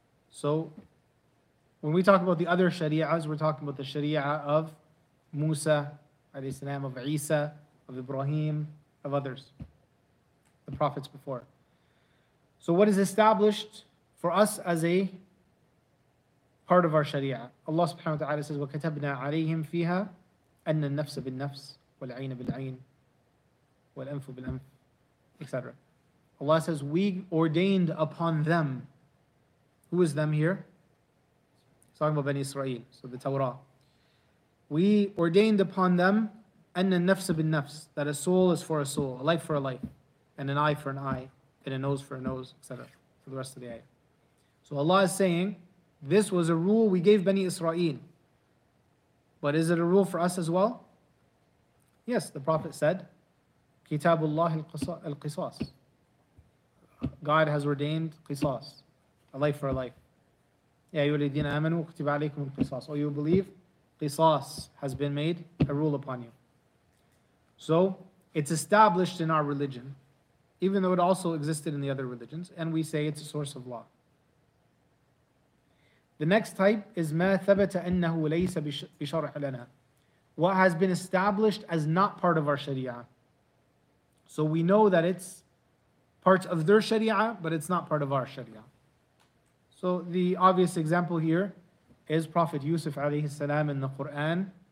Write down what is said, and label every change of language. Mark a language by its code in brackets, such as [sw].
[en] So when we talk about the other sharia's, we're talking about the sharia of Musa, alayhi salam, of Isa, of Ibrahim, of others, the prophets before. So what is established for us as a part of our sharia? Allah subhanahu wa ta'ala says, [ar] وَكَتَبْنَا عَلَيْهِمْ فِيهَا أَنَّ النَّفْسَ بِالنَّفْسِ وَالْعَيْنَ بِالْعَيْنِ وَالْأَنْفُ بِالْأَنْفِ [en] etc. Allah says, we ordained upon them. Who is them here? It's talking about Bani Israel, so the Torah. We ordained upon them, [ar] أن النفس بالنفس, [en] that a soul is for a soul, a life for a life, and an eye for an eye, and a nose for a nose, etc. For the rest of the ayah. So Allah is saying, this was a rule we gave Bani Israel. But is it a rule for us as well? Yes, the Prophet said, [ar] كتاب الله القصاص. [en] God has ordained qisas, a life for a life. [ar] يَا أَيُّهَا الَّذِينَ آمَنُوا كُتِبَ عَلَيْكُمُ الْقِصَاصُ. [en] Oh, you believe, qisas has been made a rule upon you. So, it's established in our religion, even though it also existed in the other religions, and we say it's a source of law. The next type is [ar] مَا ثَبَتَ أَنَّهُ لَيْسَ بِشَرْحَ لَنَا. [en] What has been established as not part of our sharia. So we know that it's part of their sharia, but it's not part of our sharia. So the obvious example here is Prophet Yusuf alayhi salam in the Quran.